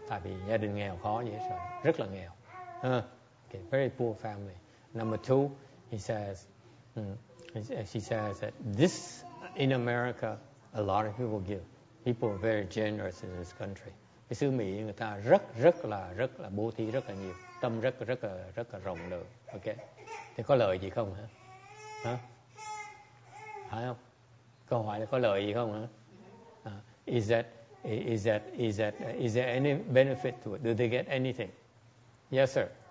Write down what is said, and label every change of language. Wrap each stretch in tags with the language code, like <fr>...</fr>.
<vi>Tại vì gia đình nghèo khó dễ sợ, rất là nghèo.</vi> <en>Okay, very poor family. Number two, he says, she says that this in America, a lot of people give. People are very generous in this country.</en> <vi>Cái xứ Mỹ người ta rất là bố thí rất là nhiều, tâm rất là rộng lượng. Ok, thì có lợi gì không hả? Hả? Phải không? Câu hỏi là có lợi gì không hả?</vi> <en>Is there any benefit to it? Do they get anything? Yes, sir.</en>